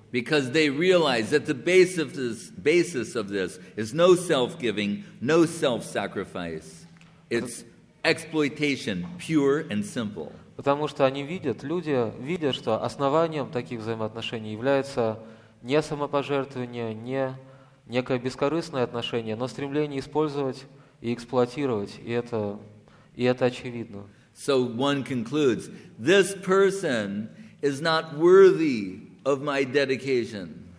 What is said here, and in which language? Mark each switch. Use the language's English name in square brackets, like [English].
[English] Because they realize that the basis of this is no self-giving, no self-sacrifice. It's exploitation, pure and simple. [Russian] Потому что они видят, люди видят, что основанием таких взаимоотношений является не самопожертвование, не некое бескорыстное отношение, но стремление использовать и эксплуатировать, и это очевидно. [English] So one concludes, this person is not worthy of my dedication.